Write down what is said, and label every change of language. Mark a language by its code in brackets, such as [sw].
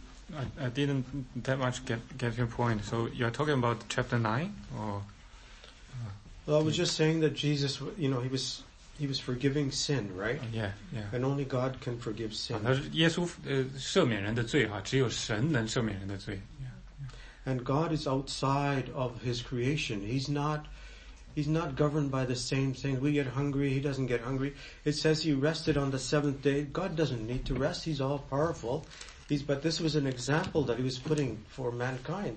[en] Yeah. I didn't that much get your point. So you're talking about chapter 9, or... Well, I was just saying that Jesus, he was forgiving sin, right? Yeah. And only God can forgive sin. [zh] 耶稣赦免人的罪，只有神能赦免人的罪。 [en] And God is outside of his creation. He's not governed by the same thing. We get hungry, he doesn't get hungry. It says he rested on the seventh day. God doesn't need to rest. He's all powerful. But this was an example that he was putting for mankind.